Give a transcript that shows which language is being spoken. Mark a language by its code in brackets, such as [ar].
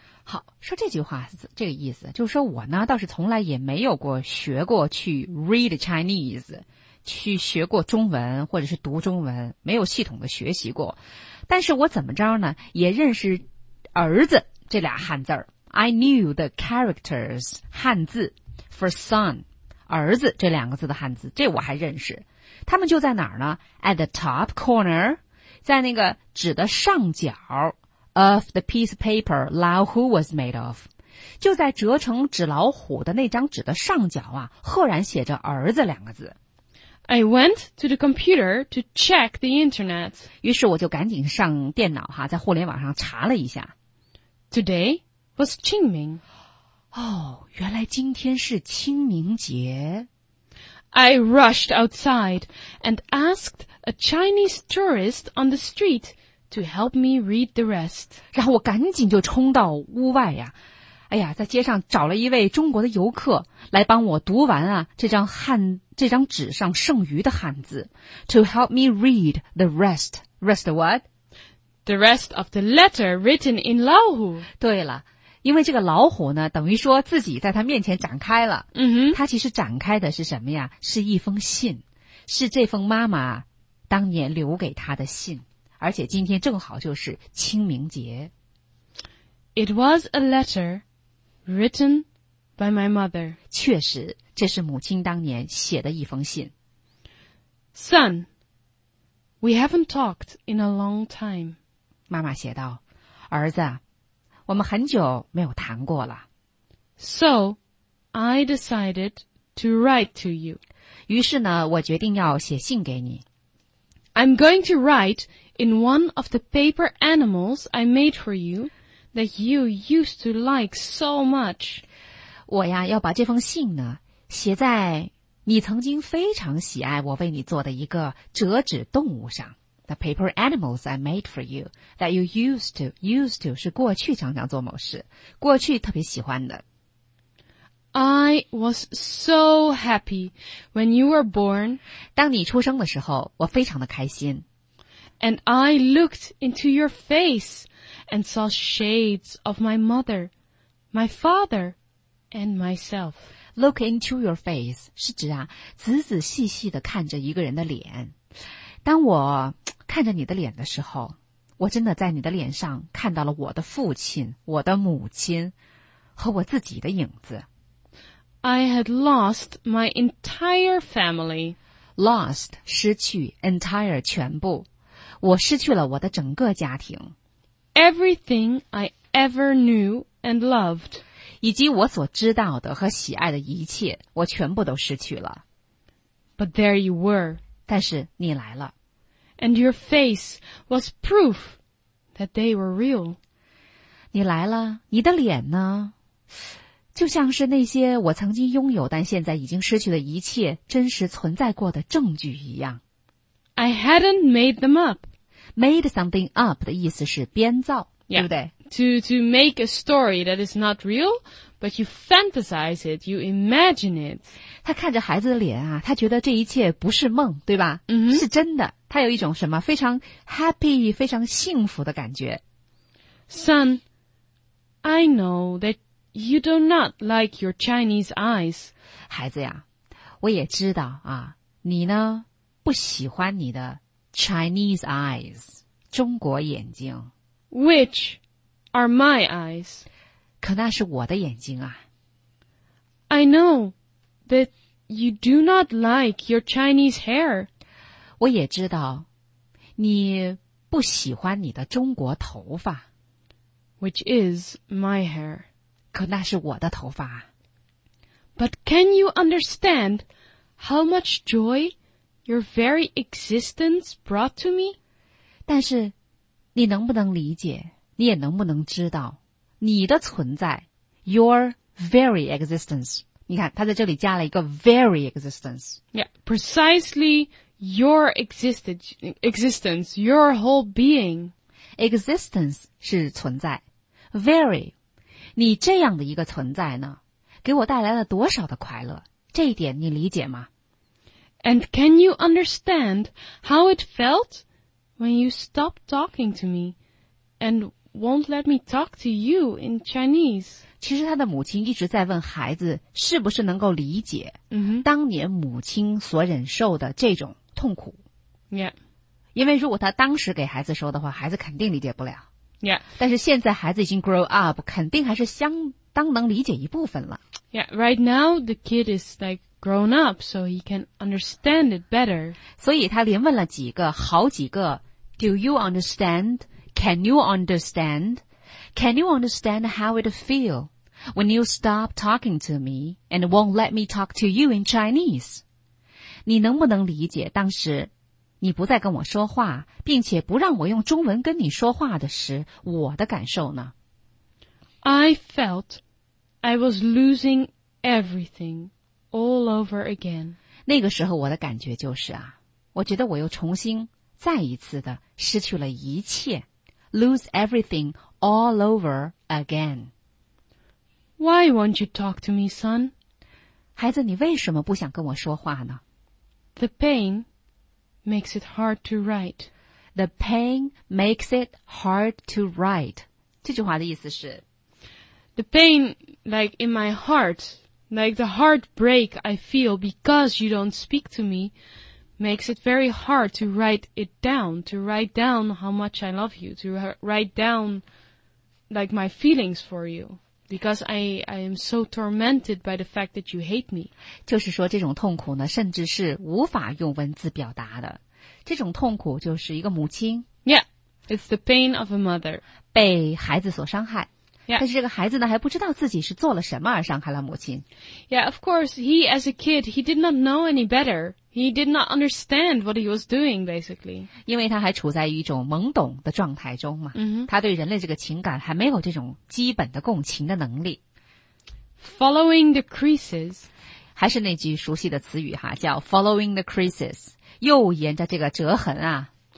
[zh] 好，说这句话这个意思，就是说我呢倒是从来也没有过学过去 [en] read Chinese， [zh] 去学过中文或者是读中文，没有系统的学习过，但是我怎么着呢，也认识儿子这俩汉字儿。 [en] I knew the characters [zh] 汉字 [en] for son [zh] 儿子这两个字的汉字，这我还认识。他们就在哪儿呢 ？ [en] At the top corner， [zh] 在那个纸的上角 [en] of the piece of paper Lao Hu was made of， [zh] 就在折成纸老虎的那张纸的上角啊，赫然写着儿子两个字。 [en] I went to the computer to check the internet。 [zh] 于是我就赶紧上电脑哈，在互联网上查了一下。 [en] Today。 Was Qingming. [zh] Oh, 原来今天是清明节。 [en] I rushed outside and asked a Chinese tourist on the street to help me read the rest. [zh] 然后我赶紧就冲到屋外呀，哎呀，在街上找了一位中国的游客来帮我读完啊这张纸上剩余的汉字。 [en] To help me read the rest. Rest what? The rest of the letter written in Lao Hu. [zh] 对了。因为这个老虎呢等于说自己在他面前展开了。嗯哼。他其实展开的是什么呀，是一封信。是这封妈妈当年留给他的信。而且今天正好就是清明节。 [en] It was a letter written by my mother. [zh] 确实这是母亲当年写的一封信。 [en] Son, we haven't talked in a long time. [zh] 妈妈写道，儿子啊。我们很久没有谈过了。 [en] So, I decided to write to you. [zh] 于是呢，我决定要写信给你。 [en] I'm going to write in one of the paper animals I made for you that you used to like so much. [zh] 我呀，要把这封信呢，写在你曾经非常喜爱我为你做的一个折纸动物上。 [en] The paper animals I made for you that you used to [zh] 是过去常常做某事，过去特别喜欢的。 [en] I was so happy when you were born. [zh] 当你出生的时候，我非常的开心。 [en] And I looked into your face and saw shades of my mother, my father, and myself. Look into your face [zh] 是指啊，仔仔细细的看着一个人的脸。当我看着你的脸的时候，我真的在你的脸上看到了我的父亲、我的母亲和我自己的影子。 [en] I had lost my entire family. [zh] Lost, 失去 entire, 全部。我失去了我的整个家庭。 [en] Everything I ever knew and loved. [zh] 以及我所知道的和喜爱的一切，我全部都失去了。 [en] But there you were. [zh] 但是你来了。 [en] And your face was proof that they were real. [zh] 你来了，你的脸呢？就像是那些我曾经拥有但现在已经失去的一切真实存在过的证据一样。 [en] I hadn't made them up. Made something up [zh] 的意思是编造 [en] yeah, [zh] 对不对 [en] to make a story that is not real, but you fantasize it, you imagine it. [zh] 他看着孩子的脸啊，他觉得这一切不是梦，对吧、 mm-hmm. 是真的，他有一种什么非常 happy, 非常幸福的感觉。 [en] Son, I know that you do not like your Chinese eyes. [zh] 孩子呀，我也知道啊，你呢不喜欢你的 [en] Chinese eyes, [zh] 中国眼睛。 [en] Which are my eyes? [zh] 可那是我的眼睛啊。 [en] I know that you do not like your Chinese hair. [zh] 我也知道你不喜欢你的中国头发。 [en] Which is my hair. [zh] 可那是我的头发。 [en] But can you understand how much joy your very existence brought to me? [zh] 但是你能不能理解，你也能不能知道你的存在 [en] your very existence. [zh] 你看他在这里加了一个 [en] very existence. Yeah, precisely your existence, your whole being. [zh] Existence 是存在。Very, 你这样的一个存在呢，给我带来了多少的快乐？这一点你理解吗？ [en] And can you understand how it felt when you stopped talking to me and won't let me talk to you in Chinese? [zh] 其实他的母亲一直在问孩子是不是能够理解、 mm-hmm. 当年母亲所忍受的这种痛苦。 [en] Yeah. [zh] 因为如果他当时给孩子说的话，孩子肯定理解不了。 [en] Yeah. [zh] 但是现在孩子已经 [en] grow up, [zh] 肯定还是相当能理解一部分了。 [en] Yeah, right now the kid is like grown up, so he can understand it better. [zh] 所以他连问了几个，好几个 , [en] do you understand? Can you understand? Can you understand how it feel when you stop talking to me and won't let me talk to you in Chinese? [zh] 你能不能理解当时你不再跟我说话，并且不让我用中文跟你说话的时，我的感受呢？ [en] I felt I was losing everything all over again. [zh] 那个时候我的感觉就是啊，我觉得我又重新再一次的失去了一切。 [en] Lose everything all over again. Why won't you talk to me, son? [zh] 孩子，你为什么不想跟我说话呢？ [en] The painMakes it hard to write. The pain makes it hard to write. [zh] 这句话的意思是 [en] The pain, like in my heart, like the heartbreak I feel because you don't speak to me, makes it very hard to write it down, to write down how much I love you, to write down like my feelings for you. Because I am so tormented by the fact that you hate me. [zh] 就是说这种痛苦呢，甚至是无法用文字表达的。这种痛苦就是一个母亲。 [en] Yeah, it's the pain of a mother. [zh] 被孩子所伤害。 [en] Yeah. [zh] 但是这个孩子呢，还不知道自己是做了什么而伤害了母亲。 [en] Yeah, of course, he as a kid, he did not know any better. He did not understand what he was doing, basically. [zh] 因为他还处在一种懵懂的状态中嘛。 Mm-hmm. 他对人类这个情感还没有这种基本的共情的能力。 [en] Following the creases. [zh] 还是那句熟悉的词语哈，叫 [en] following the creases. [zh] 又沿着这个折痕啊。